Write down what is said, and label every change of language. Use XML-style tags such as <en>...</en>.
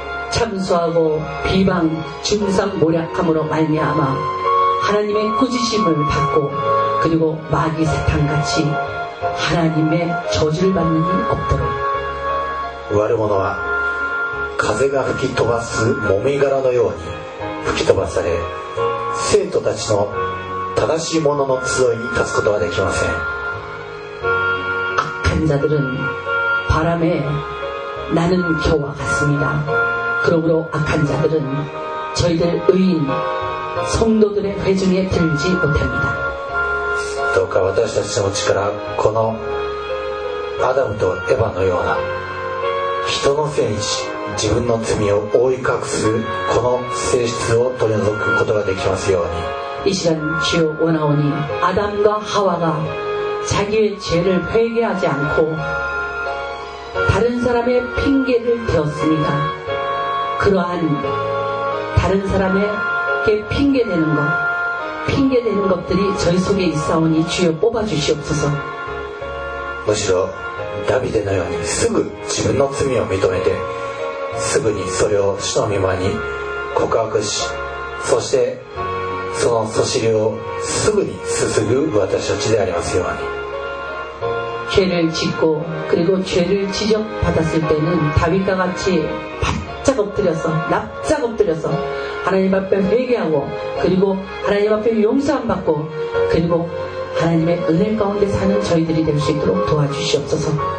<ko>참소하고비방중상모략함으로말미암아하나님의꾸짖심을받고그리고마귀사탄같이하나님의저주를받는일없도록。</ko> <ja>悪者は風が吹き飛ばすもみ殻のように吹き飛ばされ生徒たちの正しい者の集いに立つことはできません。</ja> <ko>같은 자들은 바람에 나는 겨와 같습니다. 그러므로 악한 자들은 저희들 의인 성도들의 회중에 들지 못합니다.</ko> <ja>도가</ja> <ko>우리</ko> <ja>たちの力 この アダムとエヴァのような人の罪自分の罪を覆い隠すこの性質を取り除くことができますように。</ja> <ko>이 시간 주여 원하오니 아담과 하와가 자기의 죄를 회개하지 않고 다른 사람의 핑계를 대었습니다. 그러한 다른 사람에게 핑계되는 것, 핑계되는 것들이 저희 속에 있사오니 주여 뽑아주시옵소서. 오히려</ko> <ja>다비데のように すぐ自分の罪を認めてすぐにそれを主の御前に告白しそして そのそしりをすぐにすすぐ私たちでありますように。</ja> <ko>죄를 짓고 그리고 죄를 지적받았을 때는 다윗과 같이 바짝 엎드려서 납작 엎드려서 하나님 앞에 회개하고 그리고 하나님 앞에 용서함 받고 그리고 하나님의 은혜 가운데 사는 저희들이 될 수 있도록 도와주시옵소서.</ko>